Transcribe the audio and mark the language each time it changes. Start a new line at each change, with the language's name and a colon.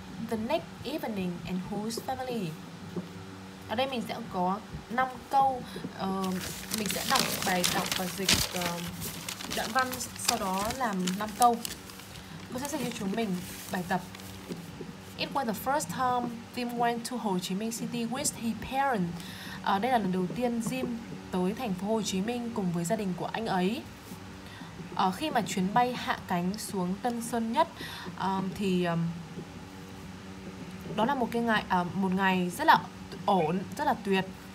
English: The next evening and whose family.
Vietnamese: Ở đây mình sẽ có 5 câu. Mình sẽ đọc bài đọc và dịch đoạn văn, sau đó làm 5 câu. Cô sẽ dạy cho chúng mình bài tập.
English: It was the first time Jim went to Hồ Chí Minh City with his parents.
Vietnamese: Đây là lần đầu tiên Jim tới thành phố Hồ Chí Minh cùng với gia đình của anh ấy. Khi mà chuyến bay hạ cánh xuống Tân Sơn Nhất thì đó là một cái ngày một ngày rất là ổn, rất là tuyệt.